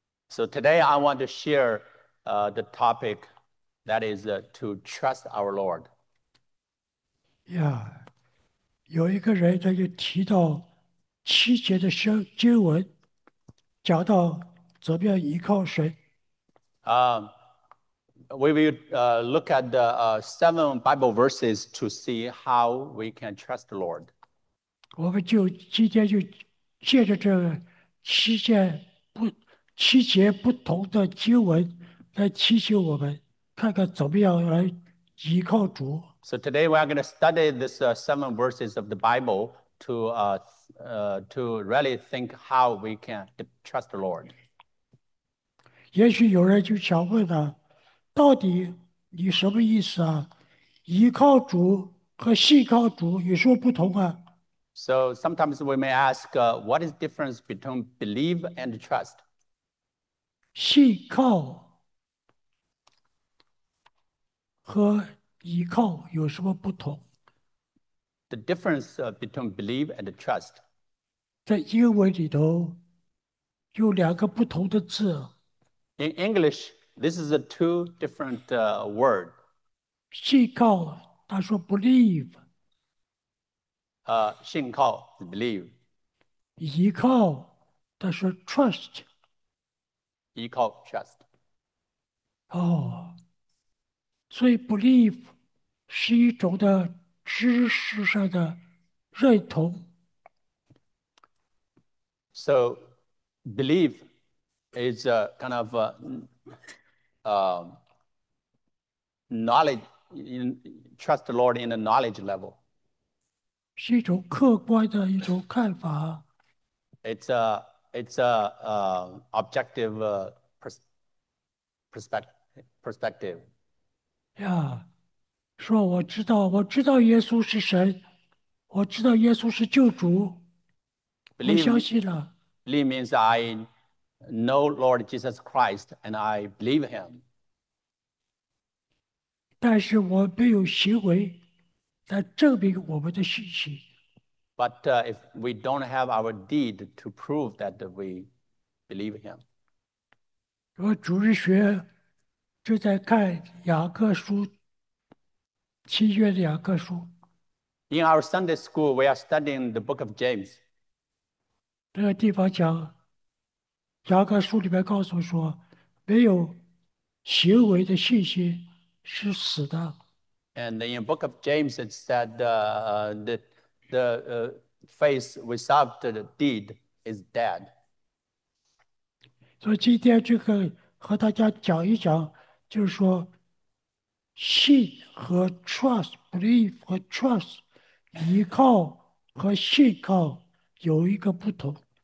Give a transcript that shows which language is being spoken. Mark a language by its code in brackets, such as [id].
[en] So today I want to share the topic that is to trust our Lord. [zh] Yeah，有一个人他就提到。 7节的经文讲到怎么样依靠神。 [en] We will look at the seven Bible verses to see how we can trust the Lord. [zh] 我们就今天就借着这7节不同的经文来提醒我们，看看怎么样来依靠主。 [en] So today we are going to study this seven verses of the Bible to really think how we can trust the Lord. [zh] 也许有人就想问了，到底你什么意思啊？依靠主和信靠主有什么不同啊？ [en] So sometimes we may ask, what is the difference between believe and trust? [zh] 信靠和依靠有什么不同？ [en] The difference between believe and trust. [zh] 在英文里头有2个不同的字。 [en] In English, this is a two different word. [zh] 信靠，他说 believe，信靠，believe，依靠，他说 trust。依靠，trust。哦，所以 believe 是一种的知识上的认同。 [en] So, believe is a kind of knowledge trust the Lord in a knowledge level. [zh] 是一种客观的一种看法， [en] It's a objective perspective. [zh] 呀，说我知道耶稣是神，我知道耶稣是救主，我相信了。 [en] Believe means I know Lord Jesus Christ and I believe him. [zh] 但是我没有行为来证明我们的信心。 [en] But if we don't have our deed to prove that we believe him. [zh] 我主日学就在看雅各书，七月的雅各书。 [en] In our Sunday school, we are studying the book of James. [zh] 那个地方讲，雅各书里面告诉我说，没有行为的信心是死的。 [en] And in the book of James, it said the faith without the deed is dead. [zh] 所以今天这个和大家讲一讲，就是说，信和 trust、believe 和 trust、依靠和信靠有一个不同。